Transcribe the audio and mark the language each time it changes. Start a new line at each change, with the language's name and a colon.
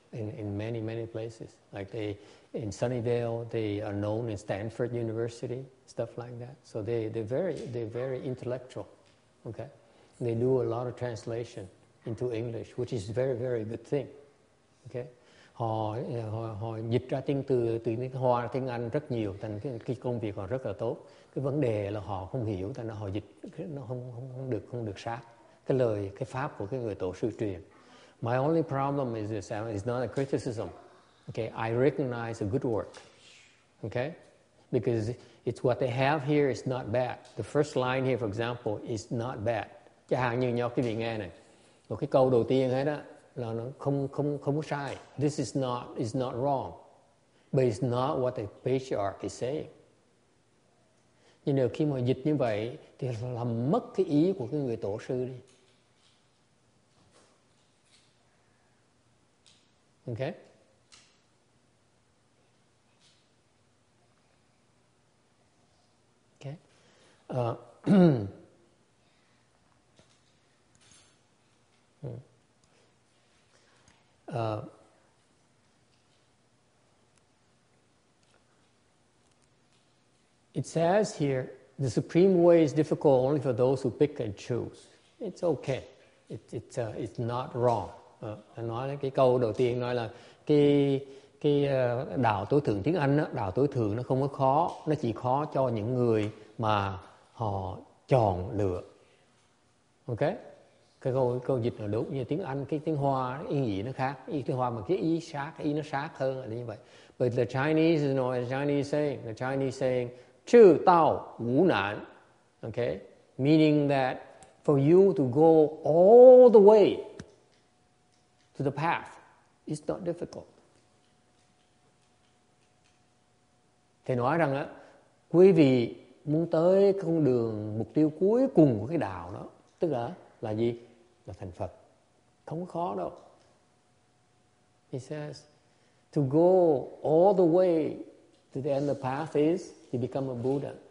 English: in many, many places. Like they, in Sunnyvale, they are known in Stanford University, stuff like that. So they're very intellectual, okay? They do a lot of translation into English, which is very, very good thing, okay?
Vietnamese: Họ dịch ra tiếng từ tiếng Hoa tiếng Anh rất nhiều, thành cái công việc họ rất là tốt. Cái vấn đề là họ không hiểu, tại nó họ dịch nó không được sát cái lời cái pháp của cái người tổ sư truyền.
English: My only problem is this, it's not a criticism. Okay, I recognize a good work. Okay? Because it's what they have here is not bad. The first line here, for example, is not bad.
Vietnamese: Chẳng hạn như nhau quý vị nghe này. Một cái câu đầu tiên hết á là nó không có sai.
English: This is not wrong. But it's not what the patriarch is saying.
Vietnamese: Nhưng nếu khi mà dịch như vậy thì làm mất cái ý của cái người tổ sư đi.
English: Okay. Okay. It says here, the supreme way is difficult only for those who pick and choose. It's okay. It's not wrong.
Vietnamese: Nói cái câu đầu tiên nói là cái đạo tối thượng tiếng Anh đó, đạo tối thượng nó không có khó, nó chỉ khó cho những người mà họ chọn lựa. Ok? Cái câu dịch là đúng, như tiếng Anh, cái tiếng Hoa ý nghĩa nó khác, ý tiếng Hoa mà cái ý sát, ý nó sát hơn là như vậy.
English: But the Chinese is not the Chinese saying, chư tao wu nan. Okay? Meaning that for you to go all the way to the path, it's not difficult.
Vietnamese: Thầy nói rằng á, quý vị muốn tới con đường mục tiêu cuối cùng của cái đạo đó, tức là gì? Là thành Phật. Không khó đâu.
English: He says, to go all the way to the end of the path is to become a Buddha.